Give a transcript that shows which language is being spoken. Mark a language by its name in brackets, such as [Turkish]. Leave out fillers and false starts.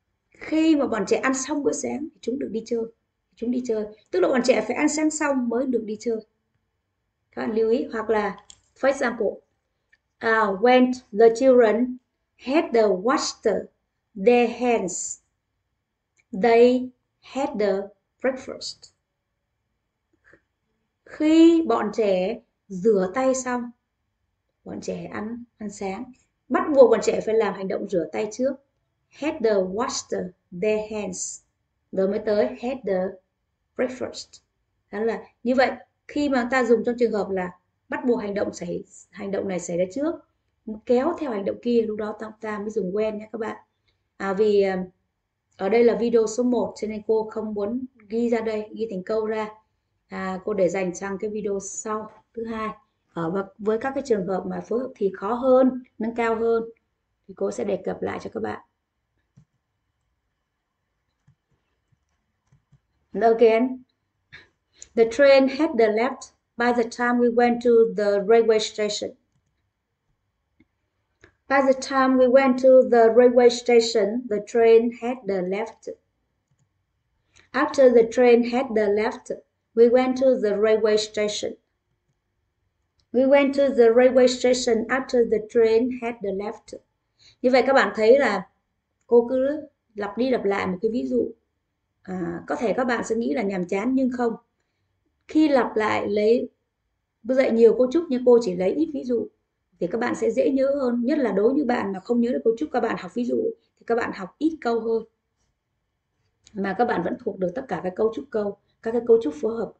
[Vietnamese] Khi mà bọn trẻ ăn xong bữa sáng thì chúng được đi chơi. Chúng đi chơi. Tức là bọn trẻ phải ăn sáng xong mới được đi chơi. Các bạn lưu ý. Hoặc là, [English] for example, when the children had washed their hands, they had breakfast. [Vietnamese] Khi bọn trẻ rửa tay xong, bọn trẻ ăn ăn sáng, bắt buộc bọn trẻ phải làm hành động rửa tay trước. [English] Had washed their hands. [Vietnamese] Rồi mới tới [English] had breakfast. [Vietnamese] Đó là như vậy. Khi mà ta dùng trong trường hợp là bắt buộc hành động này xảy ra trước, kéo theo hành động kia, lúc đó ta mới dùng when nhé các bạn. À, vì ở đây là video số 1 cho nên cô không muốn ghi ra đây, ghi thành câu ra. À, cô để dành sang cái video sau thứ hai. Với các cái trường hợp mà phối hợp thì khó hơn, nâng cao hơn thì cô sẽ đề cập lại cho các bạn. [English] Again, the train had left by the time we went to the railway station. By the time we went to the railway station, the train had left. After the train had left, we went to the railway station. We went to the railway station after the train had left. [Vietnamese] Như vậy các bạn thấy là cô cứ lặp đi lặp lại một cái ví dụ. À, có thể các bạn sẽ nghĩ là nhàm chán nhưng không. Khi lặp lại lấy dạy nhiều cấu trúc nhưng cô chỉ lấy ít ví dụ thì các bạn sẽ dễ nhớ hơn, nhất là đối với bạn mà không nhớ được cấu trúc, các bạn học ví dụ thì các bạn học ít câu hơn mà các bạn vẫn thuộc được tất cả các cấu trúc câu, các cái cấu trúc phối hợp.